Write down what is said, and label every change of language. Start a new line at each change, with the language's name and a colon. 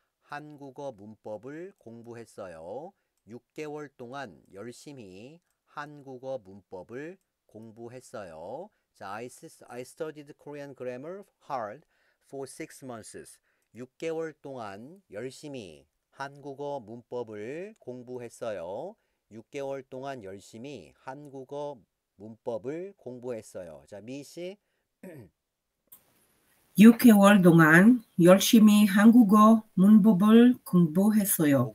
Korean: 한국어 문법을 공부했어요. 6개월 동안 열심히 한국어 문법을 공부했어요.
English: 자, I studied Korean grammar hard for 6 months.
Korean: 6개월 동안 열심히 한국어 문법을 공부했어요. 6개월 동안 열심히 한국어 문법을 공부했어요. 자, 미 씨. 6개월 동안 열심히 한국어 문법을 공부했어요.